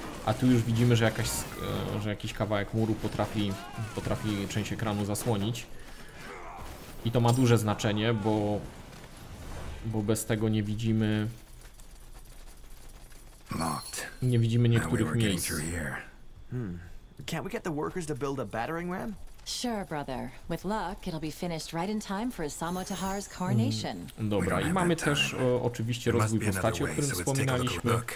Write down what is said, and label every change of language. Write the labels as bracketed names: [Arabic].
[Polish] A tu już widzimy, że jakiś kawałek muru potrafi część ekranu zasłonić. I to ma duże znaczenie, bo bez tego nie widzimy... Nie widzimy niektórych miejsc. [English] Can't we get the workers to build a battering ram? Sure, brother. With luck, it'll be finished right in time for Osamu Tahar's coronation. [Polish] Dobra, i mamy też oczywiście rozwój postaci, o którym wspominaliśmy.